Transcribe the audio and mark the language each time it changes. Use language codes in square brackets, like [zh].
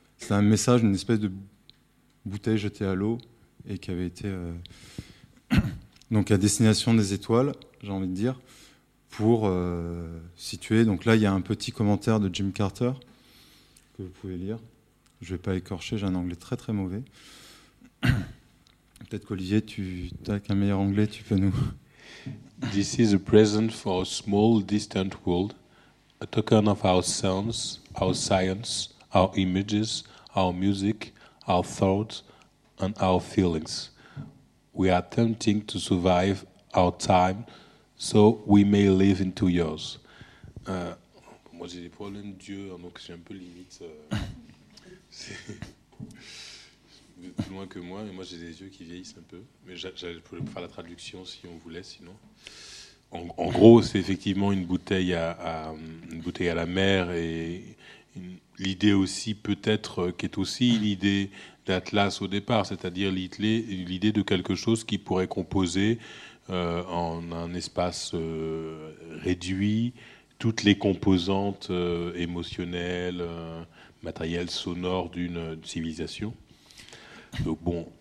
[fr] C'est un message, une espèce de bouteille jetée à l'eau et qui avait été donc à destination des étoiles, j'ai envie de dire, pour situer. Donc là, il y a un petit commentaire de Jim Carter que vous pouvez lire. Je ne vais pas écorcher, j'ai un anglais très très mauvais. Peut-être qu'Olivier, tu as qu'un meilleur anglais, tu peux nous... [en] This is a present for a small distant world, a token of our sounds, our science, our images, our music, our thoughts, and our feelings. We are attempting to survive our time so we may live into yours. [fr] Moi j'ai des problèmes d'yeux, donc j'ai un peu limite. C'est plus loin que moi, et moi j'ai des yeux qui vieillissent un peu. Mais j'allais pouvoir faire la traduction si on voulait, sinon. En gros, c'est effectivement une bouteille à la mer et l'idée aussi peut-être qui est aussi l'idée d'Atlas au départ, c'est-à-dire l'idée de quelque chose qui pourrait composer en un espace réduit toutes les composantes émotionnelles, matérielles, sonores d'une civilisation. Donc bon.